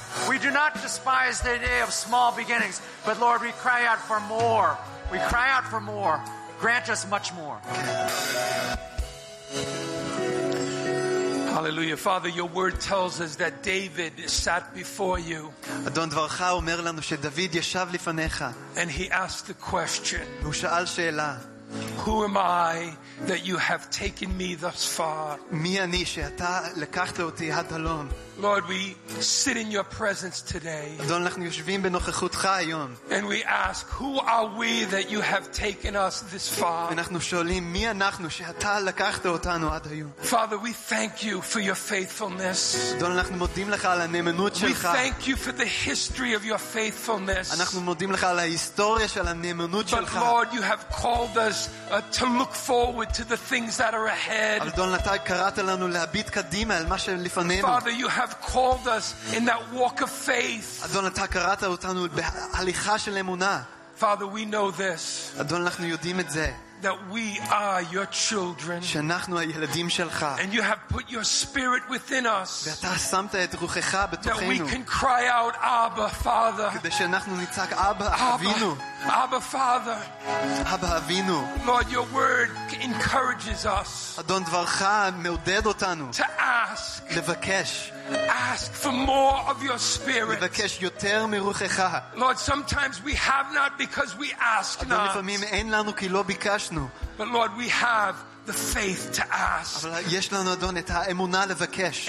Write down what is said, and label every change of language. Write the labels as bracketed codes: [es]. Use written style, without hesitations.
[en] We do not despise the day of small beginnings. But Lord, we cry out for more. We cry out for more. Grant us much more. Hallelujah. Father, your word tells us that David sat before you. [he] אדון, דברך אומר לנו שדוד ישב לפניך. [en] And he asked the question. [he] הוא שאל שאלה. [en] Who am I that you have taken me thus far? [he] מי אני שאתה לקחת אותי עד הלום? [en] Lord, we sit in your presence today. [he] אדון, אנחנו יושבים בנוכחותך היום. [en] And we ask, who are we that you have taken us this far? [he] אנחנו שואלים, מי אנחנו שאתה לקחת אותנו עד היום? [en] Father, we thank you for your faithfulness. [he] אדון, אנחנו מודים לך על הנאמנות שלך. [en] We thank you for the history of your faithfulness. [he] אנחנו מודים לך על ההיסטוריה של הנאמנות שלך. [en] But Lord, you have called us to look forward to the things that are ahead. [he] אדון, אתה קראת לנו להביט קדימה אל מה שלפנינו. [en] Father, you have called us in that walk of faith. [he] אדון, אתה קראת אותנו בהליכה של אמונה. [en] Father, we know this. [he] אדון, אנחנו יודעים את זה. [en] That we are your children. [he] שאנחנו הילדים שלך. [en] And you have put your spirit within us. [he] ואתה שמת את רוחך בתוכנו. [en] That we can cry out, Abba, Father. [he] כדי שאנחנו נצעק, אבא, אבינו. [en] Abba, Father. [he] אבא, אבינו. [en] Lord, your word encourages us. [he] אדון, דברך מעודד אותנו. [en] To ask. [he] לבקש. [en] Ask for more of your spirit. [he] לבקש יותר מרוחך. [en] Lord, sometimes we have not because we ask not. [he] אדון, לפעמים אין לנו כי לא ביקשנו. ביקשנו. [en] But Lord, we have the faith to ask. [he] אבל יש לנו אדון את האמונה לבקש.